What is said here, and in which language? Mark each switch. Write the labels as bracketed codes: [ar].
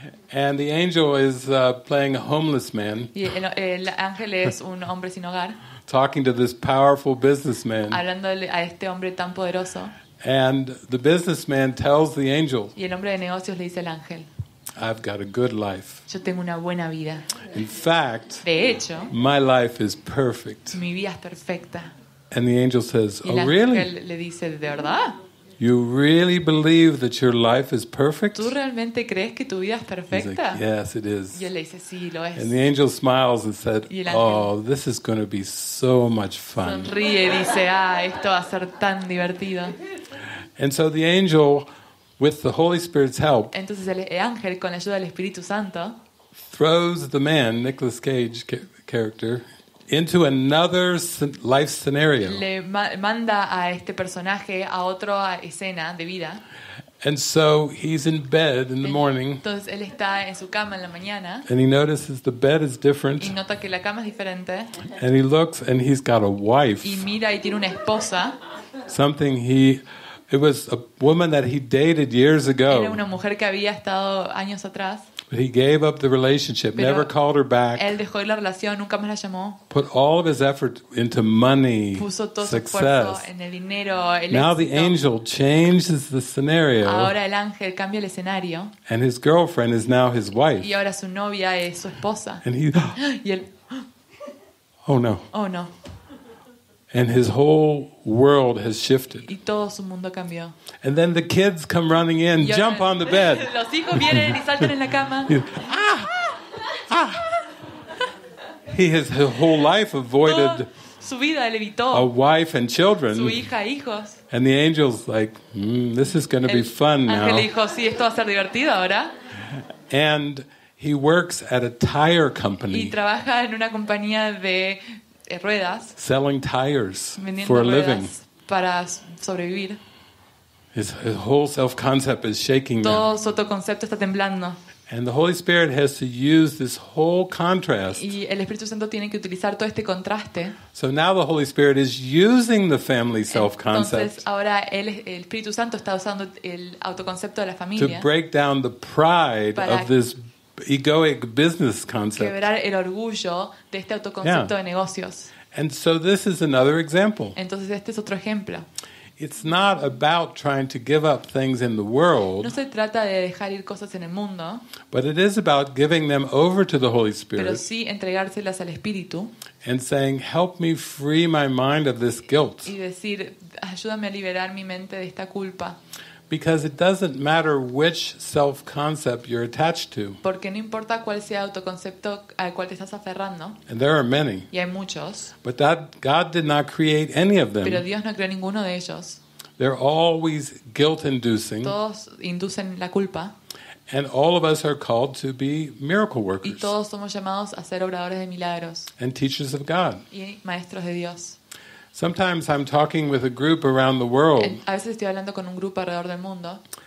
[en] And the angel is playing a homeless man. [es] Y el ángel es un hombre sin hogar. [en] Talking to this powerful businessman. [es] Hablándole a este hombre tan poderoso. [en] And the businessman tells the angel. [es] Y el hombre de negocios le dice al ángel. [en] I've got a good life. [es] Yo tengo una buena vida. [en] In fact, [es] de hecho, [en] my life is perfect. [es] Mi vida es perfecta. [en] And the angel says, [es] y el ángel [en] "Oh, really?" [es] Le dice, ¿de verdad? [en] You really believe that your life is perfect? [es] ¿Tú realmente crees que tu vida es perfecta? [en] He's like, yes, it is. [es] Y él le dice, sí, lo es. [en] And the angel smiles and said, [es] ángel, [en] oh, this is going to be so much fun. [es] Sonríe y dice, ah, esto va a ser tan divertido. [en] And so the angel, with the Holy Spirit's help, [es] entonces el ángel, con la ayuda del Espíritu Santo, [en] throws the man, Nicolas Cage character, into another life scenario. [es] Le manda a este personaje a otra escena de vida. [en] And so he's in bed in the morning. [es] Entonces él está en su cama en la mañana. [en] And he notices the bed is different. [es] Y nota que la cama es diferente. [en] And he looks and he's got a wife. [es] Y mira y tiene una esposa. [en] Something he It was a woman that he dated years ago. [es] Era una mujer que había estado años atrás. [en] But he gave up the relationship, [es] Pero [en] never called her back. [es] Él dejó la relación, nunca más la llamó. [en] Put all of his effort into money, [es] Puso todo [en] success. [es] Su esfuerzo en el dinero, el [en] Now [es] éxito. [en] The angel changes the scenario. [es] Ahora el ángel cambia el escenario. [en] And his girlfriend is now his wife. [es] Y ahora su novia es su esposa. [en] And he, [es] y él, [en] oh no. [es] Oh no. [en] And his whole world has shifted. [es] Y todo su mundo cambió. [en] And then the kids come running in, [es] ahora, [en] jump on the bed. [es] Los hijos vienen y saltan en la cama. [en] He has his whole life avoided [es] su vida le evitó. [en] A wife and children. [es] Su hija, hijos. [en] And the angel's like, this is going to be fun now. [es] El ángel dijo, sí, esto va a ser divertido ahora. [en] And he works at a tire company. [es] Y trabaja en una compañía de ruedas, [en] selling tires [es] vendiendo [en] for a [es] ruedas [en] living. [es] Para sobrevivir. [en] His whole self-concept is shaking now. [es] Todo su autoconcepto está temblando. [en] And the Holy Spirit has to use this whole contrast. [es] Y el Espíritu Santo tiene que utilizar todo este contraste. [en] So now the Holy Spirit is using the family self-concept. [es] Entonces ahora el Espíritu Santo está usando el autoconcepto de la familia. [en] To break down the pride of this egoic business concept. [es] Quebrar el orgullo de este autoconcepto de negocios. [en] And so this is another example. [es] Entonces este es otro ejemplo. [en] It's not about trying to give up things in the world. [es] No se trata de dejar ir cosas en el mundo. [en] But it is about giving them over to the Holy Spirit. [es] Pero sí entregárselas al Espíritu. [en] And saying, "Help me free my mind of this guilt." [es] Y decir, ayúdame a liberar mi mente de esta culpa. [en] Because it doesn't matter which self-concept you're attached to. [es] Porque no importa cuál sea autoconcepto al cual te estás aferrando. [en] And there are many. [es] Y hay muchos. [en] But that God did not create any of them. [es] Pero Dios no creó ninguno de ellos. [en] They're always guilt-inducing. [es] Todos inducen la culpa. [en] And all of us are called to be miracle workers. [es] Y todos somos llamados a ser obradores de milagros. [en] And teachers of God. [es] Y maestros de Dios. [en] Sometimes I'm talking with a group around the world. [es] A veces estoy hablando con un grupo alrededor del mundo.